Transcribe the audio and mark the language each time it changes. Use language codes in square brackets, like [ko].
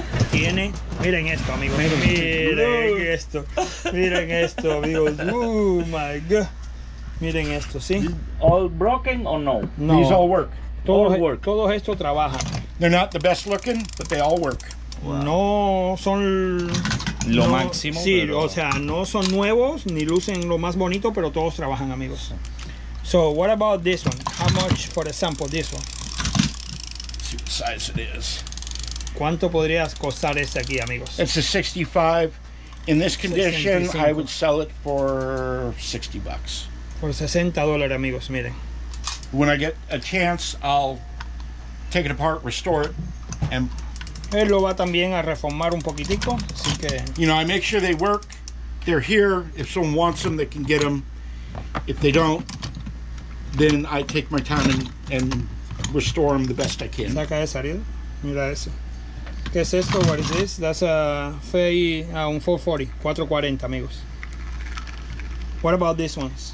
[es] Tiene, miren esto, amigos. Miren esto. Miren esto, amigos. [en] Oh my god. [es] Miren esto, ¿sí? [en] All broken or no? No. These all work. [es] Todos [en] all [es] work. Todos estos trabajan. [en] They're not the best looking, but they all work. [es] Wow. No son lo no, máximo. Sí, pero... o sea, no son nuevos ni lucen lo más bonito, pero todos trabajan, amigos. [en] So, what about this one? How much, for example, this one? Let's see what size it is. [es] ¿Cuánto podrías costar este aquí, amigos? [en] It's a 65. In this condition, 65. I would sell it for 60 bucks. [es] Por 60 dólares, amigos, miren. [en] When I get a chance, I'll take it apart, restore it, and... [es] Él lo va también a reformar un poquitico, así que... [en] You know, I make sure they work. They're here. If someone wants them, they can get them. If they don't, then I take my time and restore them the best I can. [es] Saca esa, Ariel. Mira eso. ¿Qué es esto? [en] What is this? That's a Fei, un 440. [es] 440, amigos. [en] What about these ones?